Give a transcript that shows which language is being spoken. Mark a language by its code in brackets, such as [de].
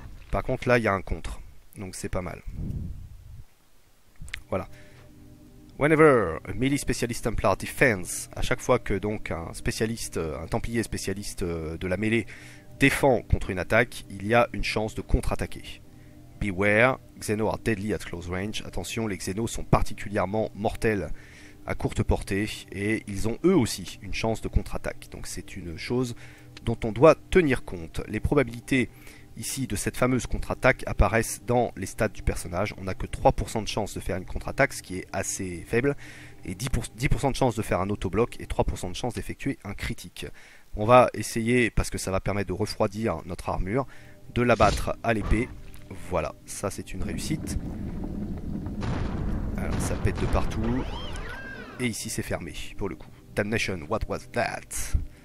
[fr] Par contre, là, il y a un contre. Donc c'est pas mal. Voilà. [en] Whenever a melee specialist Templar defends, [fr] à chaque fois que donc un spécialiste, un templier spécialiste de la mêlée défend contre une attaque, il y a une chance de contre-attaquer. [en] Beware, Xeno are deadly at close range. [fr] Attention, les Xeno sont particulièrement mortels à courte portée et ils ont eux aussi une chance de contre-attaque. Donc c'est une chose dont on doit tenir compte. Les probabilités ici de cette fameuse contre-attaque apparaissent dans les stats du personnage. On n'a que 3% de chance de faire une contre-attaque, ce qui est assez faible, et 10% de chance de faire un autobloc et 3% de chance d'effectuer un critique. On va essayer, parce que ça va permettre de refroidir notre armure, de l'abattre à l'épée. Voilà, ça c'est une réussite. Alors ça pète de partout. Et ici c'est fermé, pour le coup. [en] Damnation, what was that?